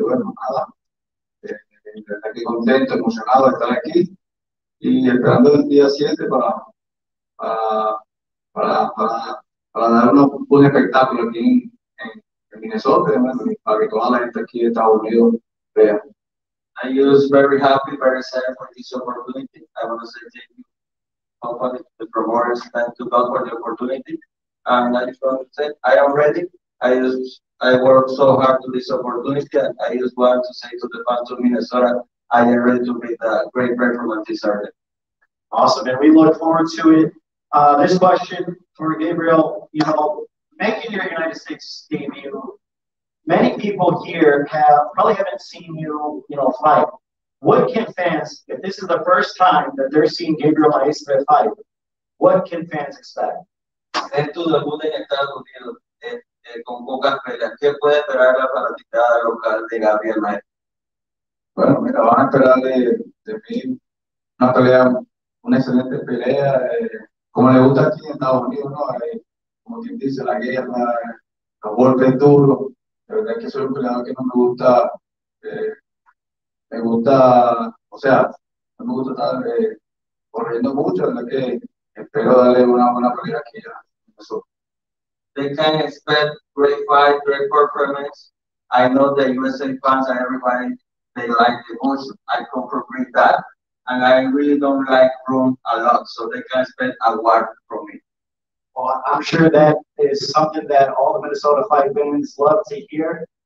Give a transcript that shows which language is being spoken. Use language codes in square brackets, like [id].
[es] Y bueno, nada, de verdad que contento, emocionado de estar aquí. Y esperando el día 7 para dar un espectáculo aquí en Minnesota, para que toda la gente aquí de Estados Unidos vea. [en] I was very happy, very excited for this opportunity. I want to say thank you, company, the promoters, thank you God for the opportunity. And I just want to say, I am ready. I worked so hard for this opportunity, and I just want to say to the fans of Minnesota, I am ready to make a great performance this Saturday. Awesome, and we look forward to it. This question for Gabriel, you know, making your United States debut, many people here probably haven't seen you fight. What can fans, if this is the first time that they're seeing Gabriel Maestre fight, what can fans expect? [es] Esto es debut en Estados Unidos, con pocas peleas. ¿Qué puede esperar la fanaticada local de Gabriel Maestre? Bueno, mira, van a esperar de mí una pelea, una excelente pelea, como le gusta aquí en Estados Unidos, ¿no? Como quien dice, la guerra, los golpes duros. La verdad es que soy un peleador que no me gusta, no me gusta estar corriendo mucho, la verdad que espero darle una buena pelea aquí a eso. [en] They can expect great fight, great performance. I know the USA fans and everybody, they like the motion. I come from great that, and I really don't like room a lot, so they can expect a lot from me. Well, I'm sure that is something that all the Minnesota fight fans love to hear.